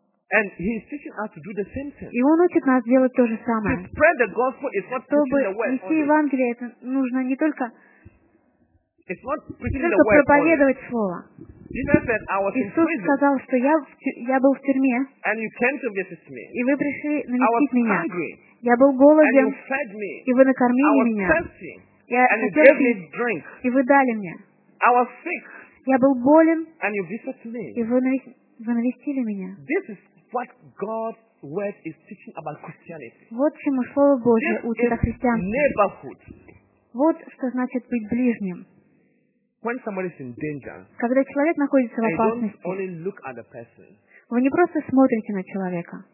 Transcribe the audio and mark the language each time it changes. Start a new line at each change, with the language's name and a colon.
English: And he is teaching us to do the same thing.
Russian: И он учит нас делать то же самое.
English: To spread the gospel is not
Russian: Чтобы
English: preaching the word.
Russian: Евангелие, это нужно не только
English: It's not preaching
Russian: не только
English: the word
Russian: проповедовать слово.
English: Jesus said, I was
Russian: Иисус
English: in prison.
Russian: Сказал, что я был в тюрьме.
English: And you came to visit me.
Russian: И вы пришли навестить меня.
English: I was hungry.
Russian: Я был голоден.
English: And you fed me.
Russian: И вы накормили меня.
English: I was thirsty. And you gave me drink.
Russian: И вы дали мне.
English: I was sick.
Russian: Я был болен.
English: And you visited me.
Russian: И вы навестили меня.
English: This is what God's word is teaching about Christianity.
Russian: Вот чему слово Божье учит о христианстве.
English: Neighborhood.
Russian: Вот что значит быть ближним.
English: When somebody is in danger,
Russian: когда человек находится в опасности,
English: you don't only look at the person,
Russian: вы не просто смотрите на человека.